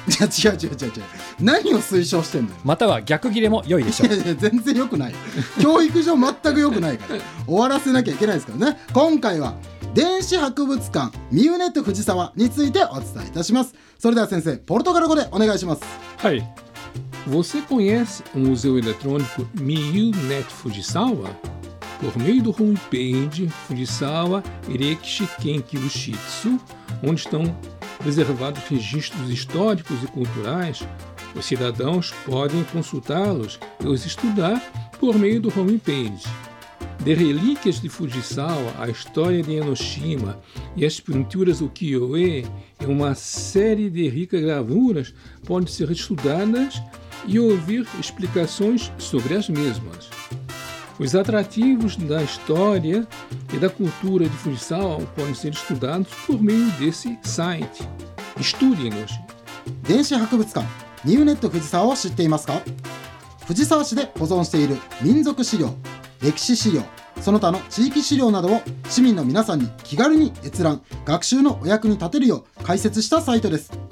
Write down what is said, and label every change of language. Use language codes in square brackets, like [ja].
[ja] いや違う、何を推奨してんのよ。または逆切れも良いでしょう。いや全然良くない。教育上全く良くないから終わらせなきゃいけないですからね。今回は電子博物館ミューネット藤沢についてお伝えいたします。それでは先生、ポルトガル語でお願いします。 [pt] はい、 Você conhece o museu eletrônico Miunet Fujisawa? Por meio do homepage Fujisawa Ereki Kenkyu Shitsu, onde estão preservados registros históricos e culturais, os cidadãos podem consultá-los e os estudar por meio do homepage. De relíquias de Fujisawa, a história de Enoshima e as pinturas ukiyo-e e uma série de ricas gravuras podem ser estudadas e ouvir explicações sobre as mesmas. Os atrativos da história e da cultura de Fujisawa podem ser estudados por meio desse site. Estude-nos! [ja] 電子博物館ミューネット藤沢を知っていますか？藤沢市で保存している民族資料、歴史資料、その他の地域資料などを市民の皆さんに気軽に閲覧、学習のお役に立てるよう開設したサイトです。